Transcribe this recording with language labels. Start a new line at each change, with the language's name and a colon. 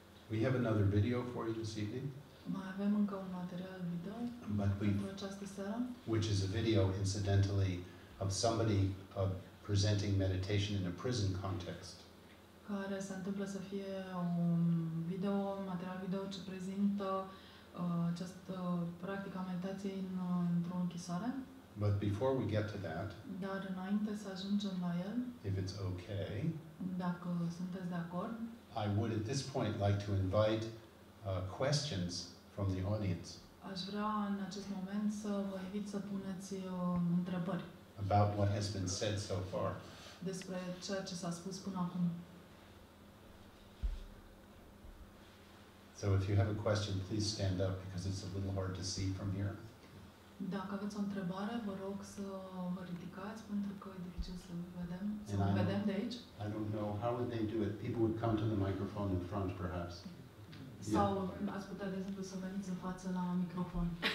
English: We have another video for you this evening.
Romanian: Mai avem încă un material video pentru această seară,
English: which is a video incidentally of somebody presenting meditation in a prison context.
Romanian: Care se întâmplă să fie un video, un material video ce prezintă această practică a meditației într-o închisoare.
English: But before we get to that,
Romanian: dar înainte să ajungem la el,
English: if it's okay,
Romanian: dacă sunteți de acord,
English: I would at this point like to invite questions from the audience.
Romanian: Aș vrea în acest moment să vă invit să puneți întrebări.
English: About what has been said so far.
Romanian: Despre ceea ce s-a spus până acum.
English: So if you have a question, please stand up because it's a little hard to see from here.
Romanian: Dacă aveți o întrebare, vă rog să vă ridicați pentru că e dificil să vedem, de aici.
English: I don't know how would they do it. People would come to the microphone in front perhaps.
Romanian: Sau ați putea, de exemplu, să veniți în față la microfon.